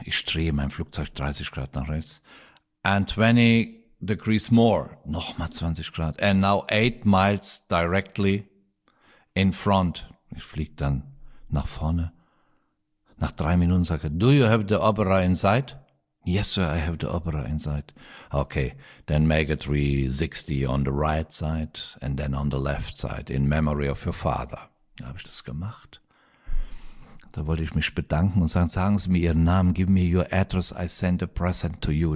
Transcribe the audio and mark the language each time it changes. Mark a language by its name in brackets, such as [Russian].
[German] Ich drehe mein Flugzeug 30 Grad nach rechts. [English] And 20 degrees more, [German] nochmal 20 Grad, [English] and now 8 miles directly in front. [German] Ich flieg dann nach vorne. Nach 3 Minuten sage ich, [English] do you have the opera inside? Yes, sir, I have the opera inside. Okay, then make a 360 on the right side and then on the left side in memory of your father. [German] Da habe ich das gemacht. Da wollte ich mich bedanken und sagen, sagen Sie mir Ihren Namen, [English] give me your address, I send a present to you.